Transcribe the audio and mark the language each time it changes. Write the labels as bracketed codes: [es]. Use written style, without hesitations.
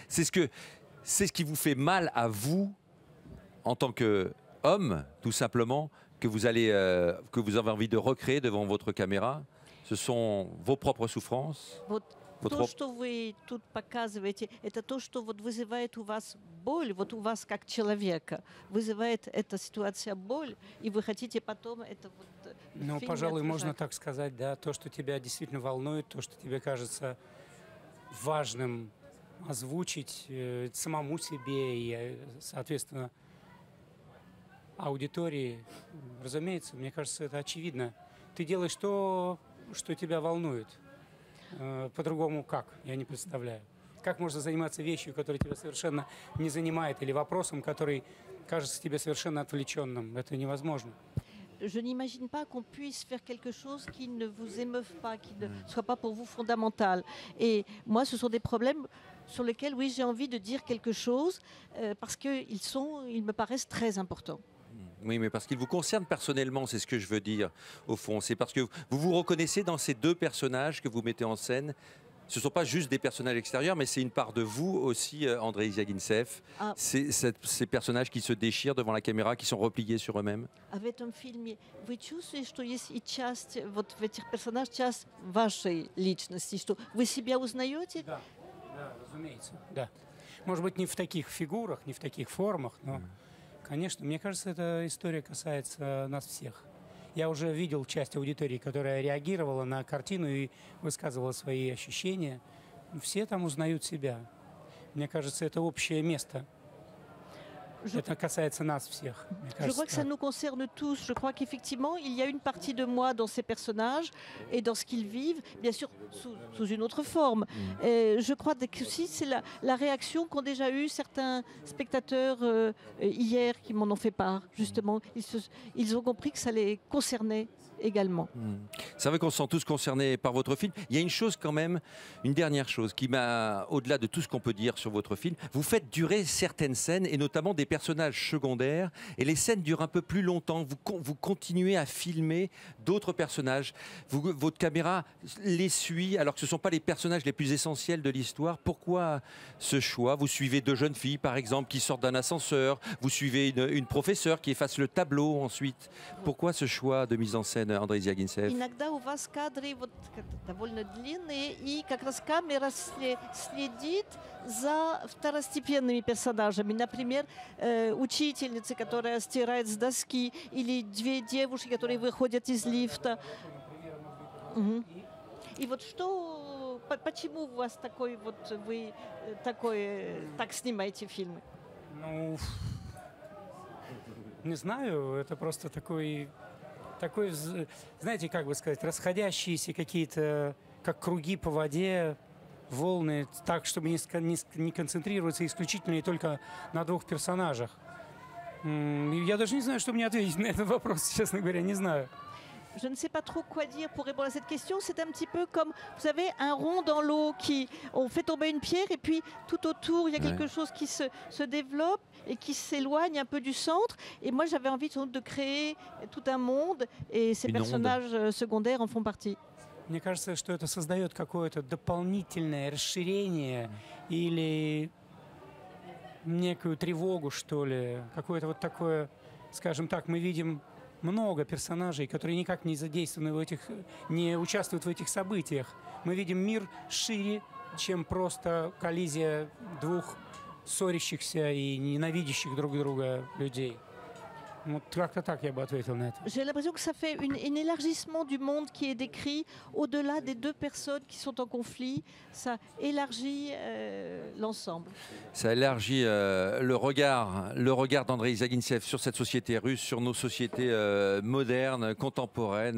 [fr] C'est ce qui vous fait mal à vous, en tant qu'homme, tout simplement, que vous avez envie de recréer devant votre caméra? Ce sont vos propres souffrances? [ru] То, что вы тут показываете, это то, что вот вызывает у вас боль, вот у вас как человека, вызывает эта ситуация боль, и вы хотите потом это вот... Ну, пожалуй, можно так сказать, да, то, что тебя действительно волнует, то, что тебе кажется важным озвучить самому себе и, соответственно, аудитории, разумеется, мне кажется, это очевидно. Ты делаешь то, что тебя волнует. По-другому как? Я не представляю. как можно заниматься вещью, которая тебя совершенно не занимает, или вопросом, который кажется тебе совершенно отвлеченным. Это невозможно. [fr] Je n'imagine pas qu'on puisse faire quelque chose qui ne vous émeuve pas, qui ne soit pas pour vous fondamental. Et moi, ce sont des problèmes sur lesquels, oui, j'ai envie de dire quelque chose parce qu'ils sont, ils me paraissent très importants. Oui, mais parce qu'ils vous concernent personnellement, c'est ce que je veux dire, au fond. C'est parce que vous vous reconnaissez dans ces deux personnages que vous mettez en scène. Ce ne sont pas juste des personnages extérieurs, mais c'est une part de vous aussi, Andrei Zyaginsev. Ces personnages qui se déchirent devant la caméra, qui sont repliés sur eux-mêmes. [ru] В этом фильме вы чувствуете и часть вот в этих персонажах часть вашей личности, что вы себя узнаете? Да, да, разумеется, да. Может быть, не в таких фигурах, не в таких формах, но, конечно, мне кажется, эта история касается нас всех. Я уже видел часть аудитории, которая реагировала на картину и высказывала свои ощущения. Все там узнают себя. Мне кажется, это общее место. Это касается нас всех. [fr] Je crois que ça nous concerne tous. Je crois qu'effectivement, il y a une partie de moi dans ces personnages et dans ce qu'ils vivent, bien sûr, sous une autre forme. Et je crois que aussi, c'est la réaction qu'ont déjà eu certains spectateurs hier qui m'en ont fait part. Justement, ils ont compris que ça les concernait également. C'est vrai qu'on se sent tous concernés par votre film. Il y a une chose quand même, une dernière chose, qui m'a, au-delà de tout ce qu'on peut dire sur votre film, vous faites durer certaines scènes, et notamment des personnages secondaires, et les scènes durent un peu plus longtemps. Vous continuez à filmer d'autres personnages. Votre caméra les suit, alors que ce ne sont pas les personnages les plus essentiels de l'histoire. Pourquoi ce choix? Vous suivez deux jeunes filles, par exemple, qui sortent d'un ascenseur. Vous suivez une professeure qui efface le tableau ensuite. Pourquoi ce choix de mise en scène? [ru] Иногда у вас кадры вот довольно длинные, и как раз камера следит за второстепенными персонажами. Например, учительница, которая стирает с доски, или две девушки, которые выходят из лифта. И вот что, почему у вас такой вот, вы такой, так снимаете фильмы? Ну, не знаю, это просто такой... Такой, знаете, как бы сказать, расходящиеся какие-то, как круги по воде, волны, так, чтобы не концентрироваться исключительно и только на двух персонажах. Я даже не знаю, что мне ответить на этот вопрос, честно говоря, не знаю. [fr] Je ne sais pas trop quoi dire pour répondre à cette question. C'est un petit peu comme, vous savez, un rond dans l'eau qui on fait tomber une pierre et puis tout autour, il y a quelque chose qui se développe et qui s'éloigne un peu du centre. Et moi, j'avais envie sans doute, de créer tout un monde et ces personnages secondaires en font partie. [ru] Мне кажется, что это создает какое-то дополнительное расширение или некую тревогу, что ли. Какое-то вот такое, скажем так, мы видим... Много персонажей, которые никак не задействованы в этих, не участвуют в этих событиях. Мы видим мир шире, чем просто коллизия двух ссорящихся и ненавидящих друг друга людей. Вот как-то так я бы ответил на это. [fr] J'ai l'impression que ça fait un élargissement du monde qui est décrit au-delà des deux personnes qui sont en conflit. Ça élargit l'ensemble. Ça élargit le regard d'Andrei Zyaginsev sur cette société russe, sur nos sociétés modernes, contemporaines.